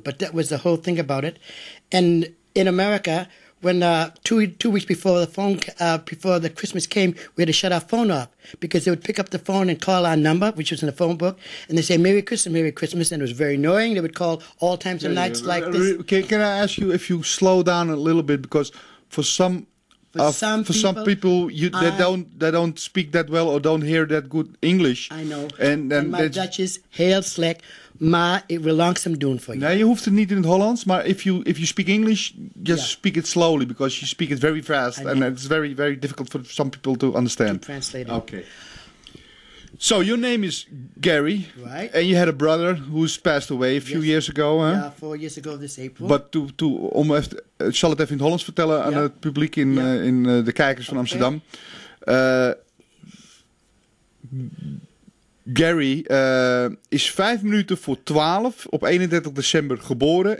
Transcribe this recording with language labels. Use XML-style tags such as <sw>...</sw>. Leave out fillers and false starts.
<en>But that was the whole thing about it. And in America, when two weeks before the phone, before the Christmas came, we had to shut our phone off because they would pick up the phone and call our number, which was in the phone book, and they say, Merry Christmas, Merry Christmas. And it was very annoying. They would call all times and nights like this. Okay, can I ask you if you slow down a little bit? Because for some people, they don't speak that well or don't hear that good English. I know. And my Dutch is</en> <nl>heel slecht, maar ik wil langzaam doen voor je. Nee, je hoeft het niet in het Hollands, maar</nl> <en>if you speak English, just speak it slowly because you speak it very fast and it's very, very difficult for some people to understand. To translate it. Okay. So your name is Gary. Right. And you had a brother who's passed away a few years ago. Huh? Yeah, 4 years ago this April. But to almost,</en> <nl>zal het even in het Hollands vertellen aan het publiek in de kijkers van Amsterdam. Gary is 5 minuten voor 12 op 31 december geboren.</nl>